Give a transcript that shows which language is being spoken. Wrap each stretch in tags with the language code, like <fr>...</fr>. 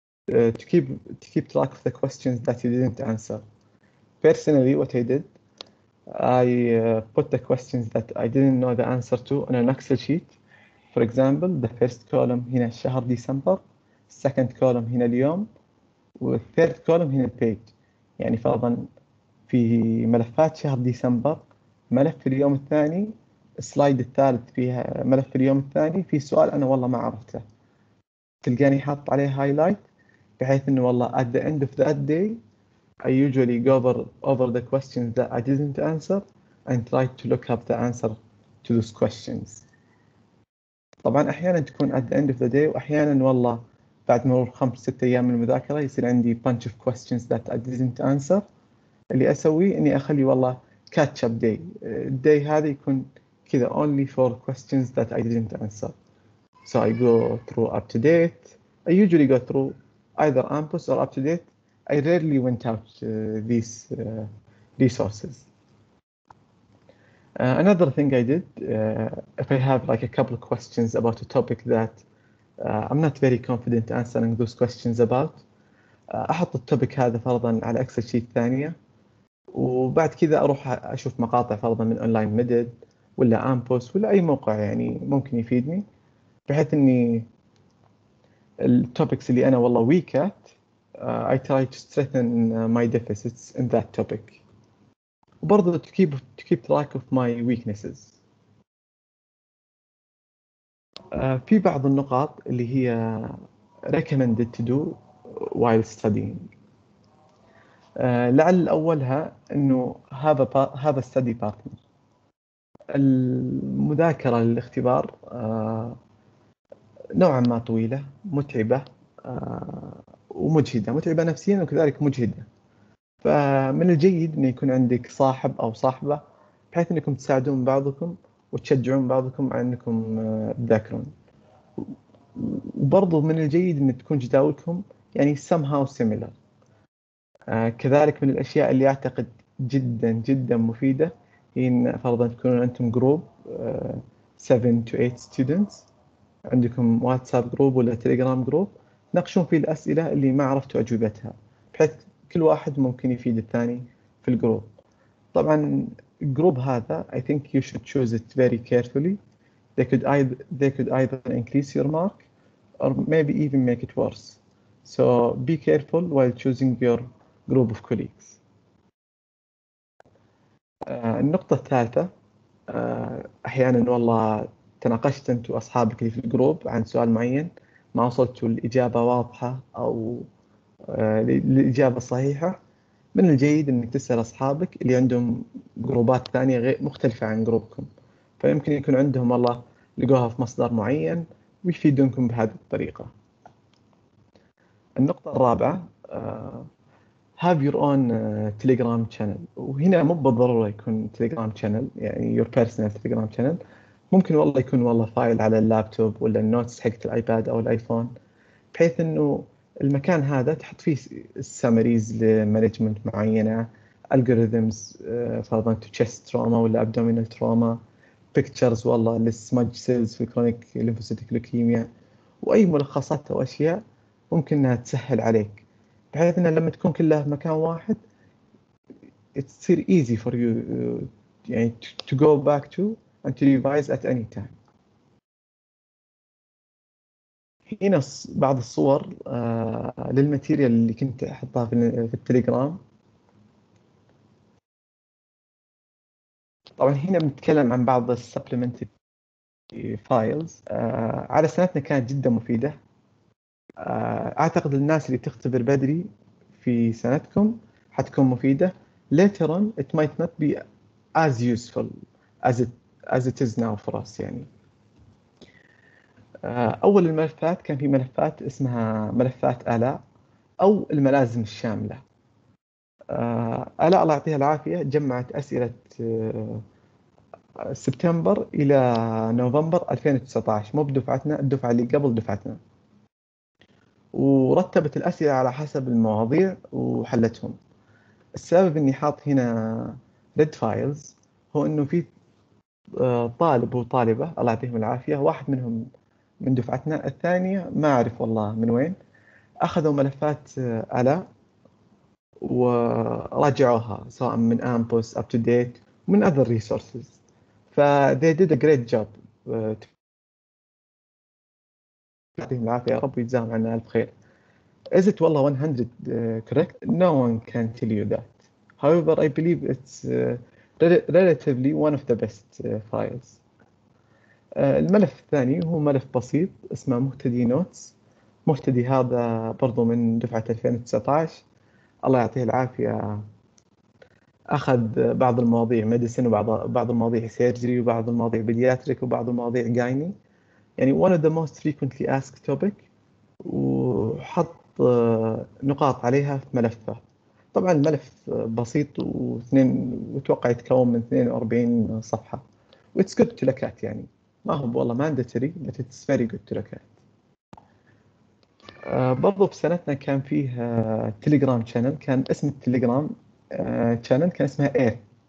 <en>To keep track of the questions that you didn't answer. Personally, what I did, I put the questions that I didn't know the answer to on an Excel sheet. For example, the first column here,</en> <ar>شهر ديسمبر,</ar> <en>second column here, اليوم, third column here, page.</en> <ar>يعني فرضا في ملفات شهر ديسمبر, ملف اليوم الثاني, السلايد الثالث فيها ملف اليوم الثاني, في سؤال أنا والله ما عرفته. تلقاني حاط عليه هايلايت, بحيث أنه والله</ar> <en>at the end of that day I usually go over the questions that I didn't answer and try to look up the answer to those questions.</en> <ar>طبعا أحيانا تكون</ar> <en>at the end of the day,</en> <ar>وأحيانا والله بعد مرور 5-6 أيام من المذاكرة يصير عندي</ar> <en>bunch of questions that I didn't answer.</en> <ar>اللي أسوي أني أخلي والله</ar> <en>catch up day. Day</en> <ar>هذا يكون كذا</ar> <en>only for questions that I didn't answer. So I go through up to date. I usually go through either AMPUS or UpToDate. I rarely went out these resources. Another thing I did, if I have like a couple of questions about a topic that I'm not very confident answering those questions about,</en> <ar>أحط التوبيك هذا فرضاً على</ar> <en>Excel sheet</en> <ar>ثانية, وبعد كذا أروح أشوف مقاطع فرضاً من</ar> <en>Online Medit</en> <ar>ولا AMPUS ولا أي موقع يعني ممكن يفيدني, بحيث أني التوبكس اللي أنا والله</ar> <en>weak at, I try to strengthen my deficits in that topic. وبرضه to keep track of my weaknesses.</en> <ar>في بعض النقاط اللي هي</ar> <en>recommended to do while studying.</en> <ar>لعل أولها إنه</ar> <en>have a study partner.</en> <ar>المذاكرة للاختبار نوعا ما طويلة, متعبة ومجهدة, متعبة نفسيا وكذلك مجهدة. فمن الجيد أن يكون عندك صاحب أو صاحبة بحيث أنكم تساعدون بعضكم وتشجعون بعضكم على أنكم تذاكرون. وبرضو من الجيد أن تكون جداولكم يعني</ar> <en>somehow similar.</en> <ar>كذلك من الأشياء اللي أعتقد جدا جدا مفيدة هي أن فرضا تكونون أنتم</ar> <en>group 7 to 8 students,</en> <ar>عندكم واتساب جروب ولا تليجرام جروب, تناقشون فيه الأسئلة اللي ما عرفتوا أجوبتها بحيث كل واحد ممكن يفيد الثاني في الجروب. طبعا الجروب هذا</ar> <en>I think you should choose it very carefully. They could either increase your mark or maybe even make it worse. So be careful while choosing your group of colleagues.</en> <ar>النقطة الثالثة, أحيانا والله تناقشت أنت وأصحابك في الجروب عن سؤال معين ما وصلتوا الإجابة واضحة أو الإجابة الصحيحة, من الجيد أنك تسأل أصحابك اللي عندهم جروبات ثانية مختلفة عن جروبكم, فيمكن يكون عندهم والله لقوها في مصدر معين ويفيدونكم بهذه الطريقة. النقطة الرابعة,</ar> <en>have your own telegram channel.</en> <ar>وهنا مو بالضرورة يكون</ar> <en>telegram channel</en> <ar>يعني</ar> <en>your personal telegram channel,</en> <ar>ممكن والله يكون والله فايل على اللابتوب ولا النوتس حقت الايباد او الايفون, بحيث انه المكان هذا تحط فيه السامريز لمانجمنت معينه, الجوريزمز فرضا</ar> <en>to chest trauma</en> <ar>ولا</ar> <en>abdominal trauma,</en> <ar>بيكتشرز والله</ar> <en>للسمج سيلز في chronic lymphocytic leukaemia,</en> <ar>واي ملخصات او اشياء ممكن انها تسهل عليك, بحيث انه لما تكون كلها في مكان واحد تصير</ar> <en>easy for you</en> <ar>يعني</ar> <en>To go back to and to revise at any time.</en> <ar>هنا بعض الصور للماتيريال اللي كنت احطها في التليجرام. طبعا هنا بنتكلم عن بعض</ar> <en>السبلمنتري فايلز</en> <ar>على سنتنا كانت جدا مفيده. اعتقد الناس اللي تختبر بدري في سنتكم حتكون مفيده.</ar> <en>Later on it might not be as useful as it is now for us.</en> <ar>يعني أول الملفات كان في ملفات اسمها ملفات ألاء أو الملازم الشاملة. ألاء الله يعطيها العافية جمعت أسئلة سبتمبر إلى نوفمبر 2019، مو بدفعتنا، الدفعة اللي قبل دفعتنا، ورتبت الأسئلة على حسب المواضيع وحلتهم. السبب إني حاط هنا</ar> <en>red files</en> <ar>هو إنه في طالب وطالبة الله يعطيهم العافية، واحد منهم من دفعتنا، الثانية ما أعرف والله من وين، أخذوا ملفات ألا وراجعوها سواء من أمبوس up to date ومن</ar> <en>other resources. ف they did a great job.</en> <ar>يعطيهم العافية، رب يجزاهم عنا ألف خير.</ar> <en>Is it والله 100 correct? No one can tell you that. However, I believe it's relatively one of the best files.</en> <ar>الملف الثاني هو ملف بسيط اسمه مهتدي نوتس. مهتدي هذا برضو من دفعة 2019، الله يعطيه العافية، أخذ بعض المواضيع ميديسن وبعض المواضيع سيرجري وبعض المواضيع بيدياتريك وبعض المواضيع جايني، يعني</ar> <en>one of the most frequently asked topic،</en> <ar>وحط نقاط عليها في ملفه. طبعا الملف بسيط واثنين وتوقع يتكون من 42 صفحة،</ar> <en>it's good to look at</en> <ar>يعني. ما هو والله</ar> <en>mandatory but it's very good to look at.</en> <ar>برضو في سنتنا كان فيه تليجرام شانل، كان اسم التليجرام شانل كان اسمها إيه.</ar>